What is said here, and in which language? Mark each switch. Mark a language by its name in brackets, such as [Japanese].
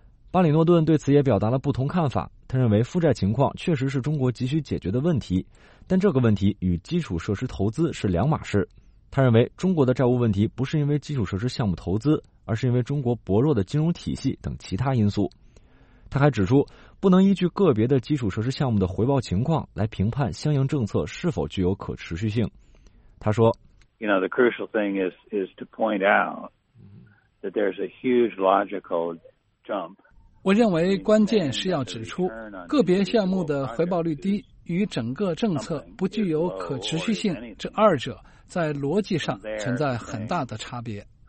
[Chinese] 巴里诺顿对此也表达了不同看法，他认为负债情况确实是中国急需解决的问题，但这个问题与基础设施投资是两码事。他认为中国的债务问题不是因为基础设施项目投资，而是因为中国薄弱的金融体系等其他因素。他还指出，不能依据个别的基础设施项目的回报情况来评判相应政策是否具有可持续性。他说， [English] The crucial thing is to point out that there's a huge logical jump. [Chinese] 我认为关键是要指出，个别项目的回报率低与整个政策不具有可持续性，这二者在逻辑上存在很大的差别。